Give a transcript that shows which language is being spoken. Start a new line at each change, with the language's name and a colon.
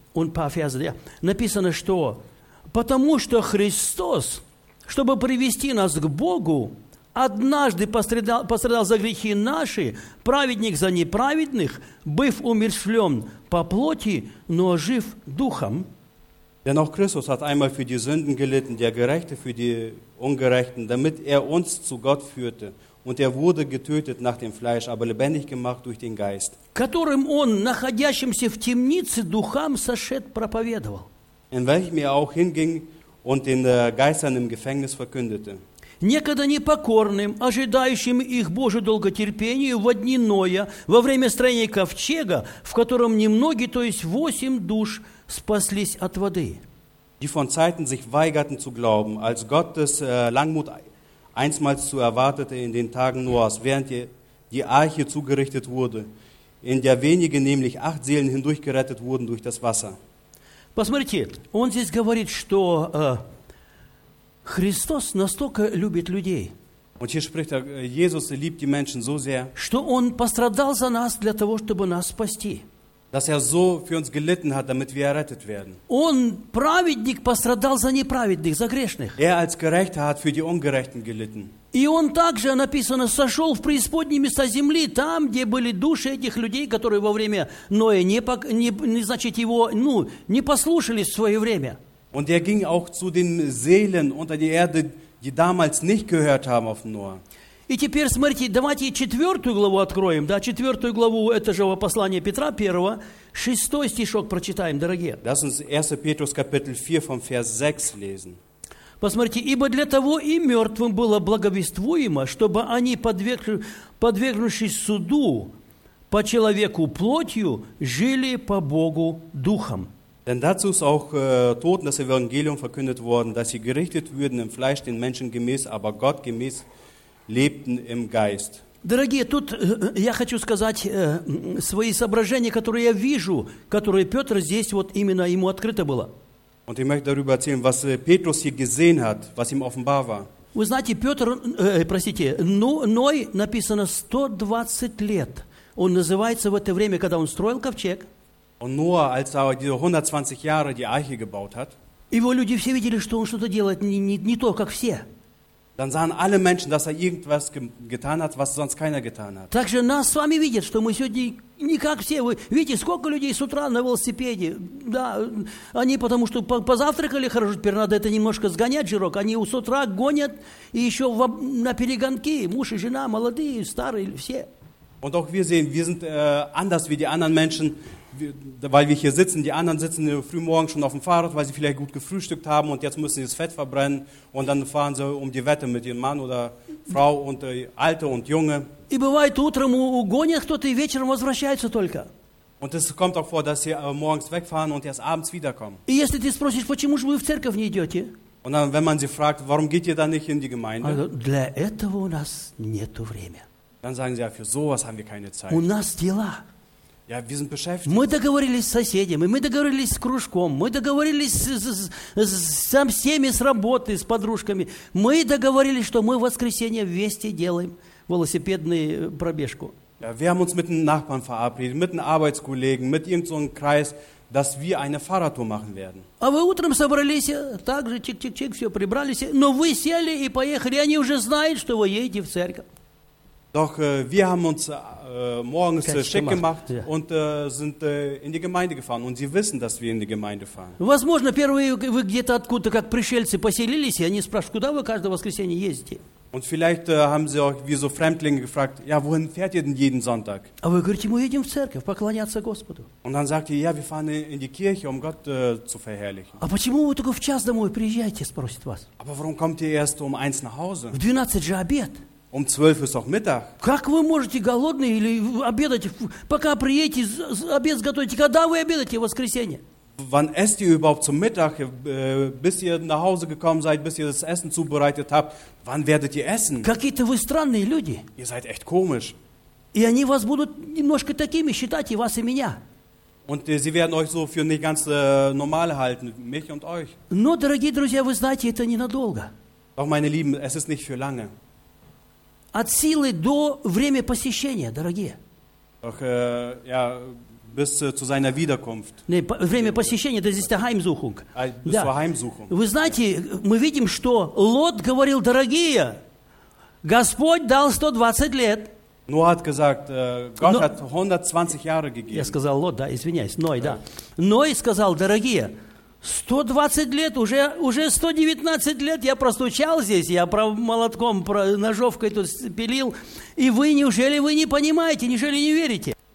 Russian: Он по Афиазе, написано, что потому что Христос, чтобы привести нас к Богу, однажды пострадал за грехи наши, праведник за неправедных, быв умерщвлен по плоти, но жив духом.
German: Denn auch Christus hat einmal für die Sünden gelitten, der Gerechte für die Ungerechten, damit uns zu Gott führte. Und wurde getötet nach dem Fleisch, aber lebendig gemacht durch den Geist.
Russian: Которым он, находящимся в темнице, духам сошед проповедовал.
German: In welchem er auch hinging und den Geistern im Gefängnis verkündete.
Russian: Некогда непокорным, ожидающим их Божию долготерпению в дни Ноя, во время строения ковчега, в котором немногие, то есть 8 душ, спаслись от воды.
German: Die von Zeiten sich weigerten zu glauben, als Gottes Langmut einstmals zu erwartete in den Tagen Noahs, während die Arche zugerichtet wurde, in der wenige, nämlich 8 Seelen hindurchgerettet wurden durch das Wasser.
Russian: Посмотрите, он здесь говорит, что Христос настолько любит людей,
German: und hier spricht er, Jesus liebt die Menschen so sehr,
Russian: что он пострадал за нас для того, чтобы нас спасти.
German: Dass so für uns gelitten hat, damit wir errettet werden.
Russian: Он праведник пострадал за неправедных, за грешных.
German: Als Gerechter hat für die Ungerechten gelitten.
Russian: И он также, написано, сошел в преисподние места земли, там, где были души этих людей, которые во время Ноя не послушались в свое время.
German: Und ging auch zu den Seelen unter die Erde, die damals nicht gehört haben auf Noah.
Russian: И теперь, смотрите, давайте четвертую главу откроем, да, четвертую главу этого же послания Петра, первого, шестой стишок прочитаем, дорогие.
German: Lass uns 1. Petrus Kapitel 4 vom Vers 6 lesen.
Russian: Посмотрите, ибо для того и мертвым было благовествуемо, чтобы они, подвергнувшись суду по человеку плотью, жили по Богу духом.
German: Denn dazu ist auch Toten das Evangelium verkündet worden, dass sie gerichtet würden im Fleisch den Menschen gemäß, aber Gott gemäß lebten im Geist.
Russian: Дорогие, тут я хочу сказать свои соображения, которые я вижу, которые Петр здесь вот именно ему открыто было.
German: Und ich möchte darüber erzählen, was Petrus hier gesehen hat, was ihm offenbar war.
Russian: Вы знаете, Петр, простите, Ной написано 120 лет. Он называется в это время, когда он строил ковчег.
German: Und Noah, als er diese 120 Jahre die Arche gebaut hat.
Russian: Его люди все видели, что он что-то делает не то, как все.
German: Dann sahen alle Menschen, dass irgendwas getan hat, was sonst keiner getan hat.
Russian: Также нас с вами видят, что мы сегодня не как все. Вы видите, сколько людей с утра на велосипеде. Да, они потому что позавтракали хорошо, теперь надо это немножко сгонять жирок. Они с утра гонят и еще на перегонки. Муж и жена, молодые, старые, все.
German: Und auch wir sehen, wir sind anders wie die anderen Menschen, weil wir hier sitzen. Die anderen sitzen früh morgens schon auf dem Fahrrad, weil sie vielleicht gut gefrühstückt haben und jetzt müssen sie das Fett verbrennen und dann fahren sie um die Wette mit ihrem Mann oder Frau und Alte und Junge.
Russian: И бывает утром угонят кто-то и вечером возвращается только.
German: Und es kommt auch vor, dass sie morgens wegfahren und erst abends wiederkommen.
Russian: И если ты спросишь, почему же вы в церковь не идете?
German: Und dann, wenn man sie fragt, warum geht ihr dann nicht in die Gemeinde? Also,
Russian: для этого у нас нету времени.
German: Dann sagen sie, ja, für sowas haben wir keine Zeit.
Russian: У нас дела.
German: Ja, wir sind beschäftigt.
Russian: Мы договорились с соседями, мы договорились с кружком, мы договорились со всеми, с работой, с подружками. Мы договорились, что мы в воскресенье вместе делаем велосипедную пробежку.
German: Ja, wir haben uns mit den Nachbarn verabredet, mit den Arbeitskollegen, mit irgend so einem Kreis, dass wir eine Fahrradtour machen werden.
Russian: А вы утром собрались, так же, чик-чик-чик, все, прибрались, но вы сели и поехали, они уже знают, что вы едете в церковь.
German: Doch wir haben uns morgens schick gemacht ja. und sind in die Gemeinde gefahren. Und sie wissen, dass wir in die Gemeinde fahren.
Russian: Возможно, первые вы где-то откуда, как пришельцы, поселились, и они спрашивают, куда вы каждое воскресенье ездите?
German: Und vielleicht haben sie auch wie so Fremdlinge gefragt, ja, wohin fährt ihr denn jeden Sonntag?
Russian: А вы говорите, мы едем в церковь, поклоняться Господу.
German: Und dann sagt ihr, ja, wir fahren in die Kirche, um Gott zu verherrlichen.
Russian: А почему вы только в час домой приезжаете, спросит вас?
German: Aber warum kommt ihr erst um eins nach Hause?
Russian: В 12 же обед.
German: Um 12 ist auch Mittag.
Russian: Как вы можете голодные или обедать, пока приедете, обед готовите? Когда вы обедаете в воскресенье?
German: Wann esst ihr überhaupt zum Mittag? Bis ihr nach Hause gekommen seid, bis ihr das Essen zubereitet habt, wann werdet ihr essen?
Russian: Какие-то вы странные люди.
German: Ihr seid echt komisch.
Russian: И они вас будут немножко такими считать, и вас, и меня.
German: Und sie werden euch so für nicht ganz normal halten, mich und euch.
Russian: Но, дорогие друзья, вы знаете, это ненадолго.
German: Doch, meine Lieben, es ist nicht für lange.
Russian: От силы до время посещения, дорогие.
German: Doch, ja, bis zu seiner Wiederkunft. Nee,
Russian: время посещения,
German: das ist die Heimsuchung. Bis zur Heimsuchung.
Russian: Вы знаете, мы видим, что Лот говорил, дорогие, Господь дал 120 лет.
German: Noah hat gesagt, Gott hat 120 Jahre gegeben.
Russian: Я сказал Лот, да, извиняюсь, Ной, да. Ной сказал, дорогие, 120 лет, уже 119 лет я простучал здесь, я молотком, ножовкой тут пилил, и вы, неужели вы не понимаете, неужели не верите?